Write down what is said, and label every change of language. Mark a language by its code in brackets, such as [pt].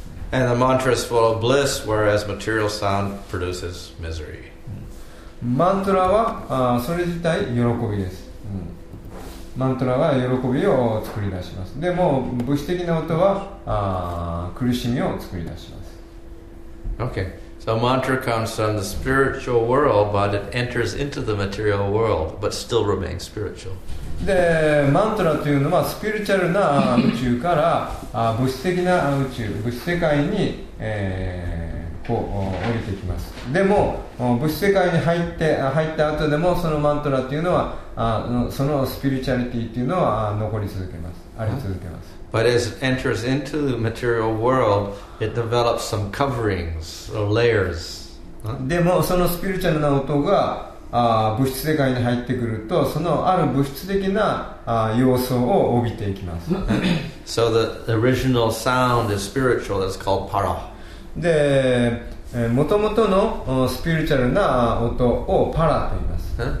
[en] And the mantra is full of bliss, whereas material sound produces misery. [ja] Mantra はそれ自体喜びです。マントラは喜びを作り出します。でも物質的な音は苦しみを作り出します。 [en] Okay, so mantra comes from the spiritual world, but it enters into the material world, but still remains spiritual. [ja] で、マントラというのはスピリチュアルな宇宙から物質的な宇宙、物質世界に、こう降りてきます。でも物質世界に入った後でもそのマントラというのはそのスピリチュアリティというのは残り続けます。あり続けます。 [en] But as it enters into the material world, it develops some coverings or layers. [ja] でもそのスピリチュアルな音が物質世界に入ってくるとそのある物質的な要素を帯びていきます。 [en] So the original sound is spiritual. It's called para. [ja] で、元々のスピリチュアルな音をパラと言います。